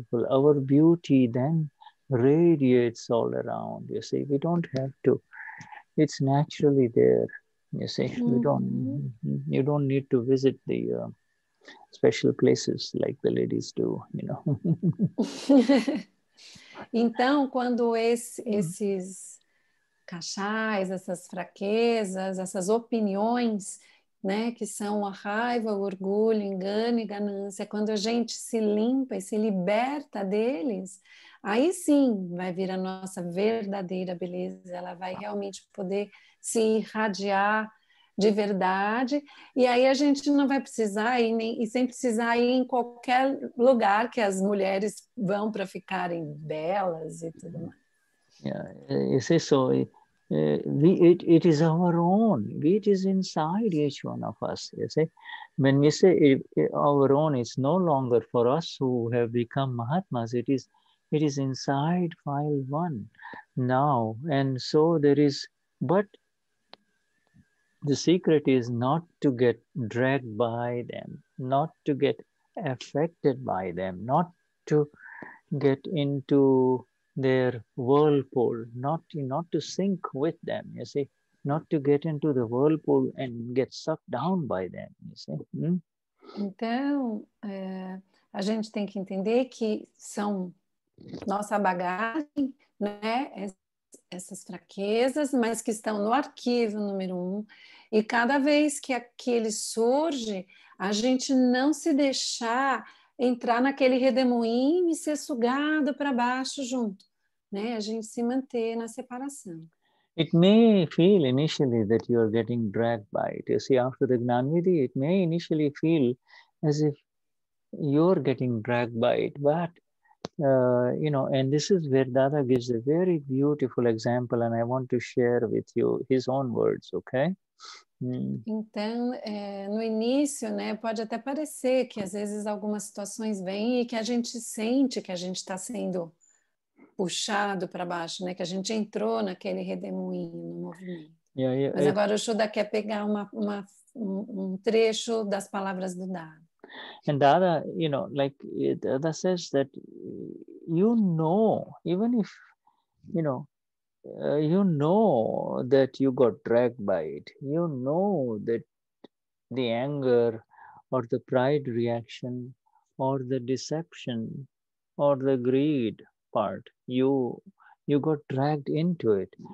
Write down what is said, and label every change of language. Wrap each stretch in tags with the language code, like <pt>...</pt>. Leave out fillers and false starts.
<en>Our beauty then radiates all around, you see. We don't have to. It's naturally there, you see. Mm-hmm. You don't need to visit the special places like the ladies do, you know.</en> <pt>Então, quando esses cachais, essas fraquezas, essas opiniões, né, que são a raiva, o orgulho, engano e ganância. Quando a gente se limpa e se liberta deles, aí sim vai vir a nossa verdadeira beleza. Ela vai realmente poder se irradiar de verdade. E aí a gente não vai precisar ir em qualquer lugar que as mulheres vão para ficarem belas e tudo mais.</pt> <en>It is our own. It is inside each one of us, you see. When we say our own, it's no longer for us who have become Mahatmas. It is inside file one now. And so there is, but the secret is not to get dragged by them, not to get affected by them, not to get into their whirlpool, not to sink with them, you see, not to get into the whirlpool and get sucked down by them, you see.</en> <pt>Então, a gente tem que entender que são nossa bagagem, né? Essas fraquezas, mas que estão no arquivo número um. E cada vez que aquele surge, a gente não se deixar entrar naquele redemoinho e ser sugado para baixo junto, né? A gente se manter na separação.</pt> <en>It may feel initially that you are getting dragged by it. You see, after the Jnanvidhi, it may initially feel as if you're getting dragged by it. But, you know, and this is where Dada gives a very beautiful example, and I want to share with you his own words, okay?</en> <pt>Então, é, no início, né, pode até parecer que às vezes algumas situações vêm e que a gente sente que a gente está sendo puxado para baixo, né? Que a gente entrou naquele redemoinho no movimento. Mas agora o Shuda quer pegar um trecho das palavras do Dada.</pt> <en>And Dada, you know, like Dada says that you know, even if, you know, you know that you got dragged by it. You know that the anger or the pride reaction or the deception or the greed part, you got dragged into it.</en>